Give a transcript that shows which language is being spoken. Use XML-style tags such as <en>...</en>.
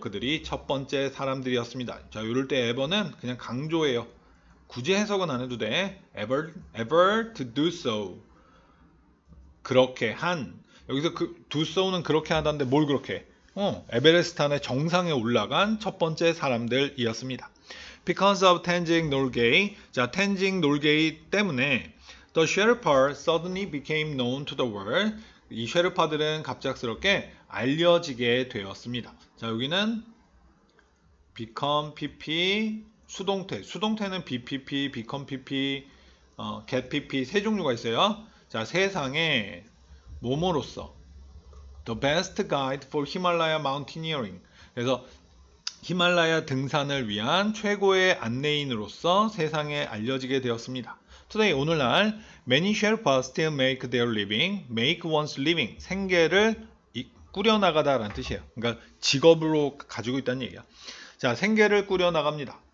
<ko>그들이 첫 번째 사람들이었습니다. 자, 이럴 때 ever는 그냥 강조예요. 굳이 해석은 안 해도 돼.</ko> <en>ever to do so.</en> <ko>그렇게 한. 여기서 그 do so는 그렇게 하다는데 뭘 그렇게? 에베레스트산의 정상에 올라간 첫 번째 사람들이었습니다.</ko> <en>Because of Tenzing Norgay,</en> <ko>자, Tenzing Norgay 때문에</ko> <en>the Sherpa suddenly became known to the world.</en> <ko>이 Sherpa들은 갑작스럽게 알려지게 되었습니다. 자, 여기는 become PP 수동태. 수동태는 BPP, become PP, get PP 세 종류가 있어요. 자, 세상에 모모로서</ko> <en>the best guide for Himalaya mountaineering.</en> <ko>그래서 히말라야 등산을 위한 최고의 안내인으로서 세상에 알려지게 되었습니다.</ko> <en>Today, 오늘날 many Sherpa still make their living, make one's living.</en> <ko>생계를 꾸려나가다라는 뜻이에요. 그러니까 직업으로 가지고 있다는 얘기야. 자, 생계를 꾸려나갑니다.</ko>